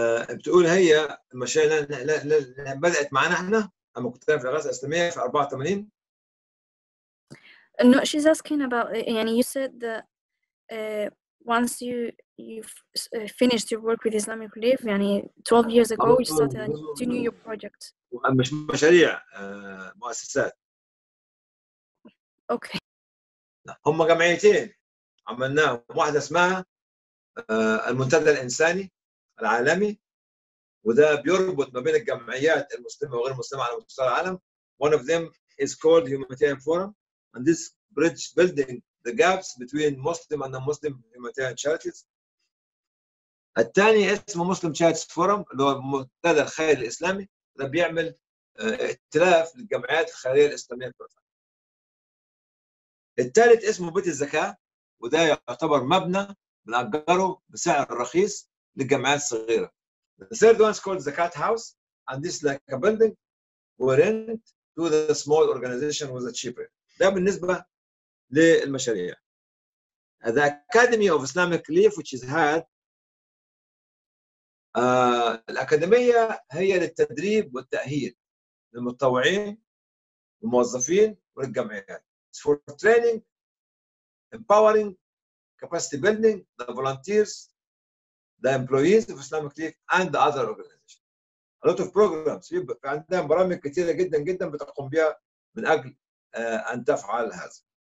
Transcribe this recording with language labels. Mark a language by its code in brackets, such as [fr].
[ar] بتقول هي مشاي بدأت معنا احنا اما كنت في غزة الإسلامية في 84. [en] No, she's asking about, يعني you said that once you finished your work with Islamic Relief, يعني 12 years ago you started a new project. [ar] مش مشاريع مؤسسات. [en] Okay. [ar] هم جمعيتين عملناهم، واحدة اسمها المنتدى الإنساني العالمي، وده بيربط ما بين الجمعيات المسلمة وغير المسلمة على مستوى العالم. [en] One of them is called Humanitarian Forum, and this bridge building the gaps between Muslim and non-Muslim humanitarian charities. [ar] الثاني اسمه Muslim Charities Forum، اللي هو منتدى الخير الإسلامي، ده بيعمل ائتلاف للجمعيات الخيرية الإسلامية في العالم. الثالث اسمه بيت الزكاة، وده يعتبر مبنى بنأجره بسعر رخيص للجمعيات الصغيرة. [en] The third one is called Zakat House, and this is like a building we rent to the small organization with a cheaper. [ar] ده بالنسبة للمشاريع. [en] The Academy of Islamic Relief, which is HAT, [ar] الأكاديمية هي للتدريب والتأهيل للمتطوعين والموظفين والجمعيات. [en] It's for training, empowering, capacity building, the volunteers, the employees of Islamic Relief and the other organizations. A lot of programs. [ar] عندها برامج كثيرة جدا جدا بتقوم بها من أجل أن تفعل هذا.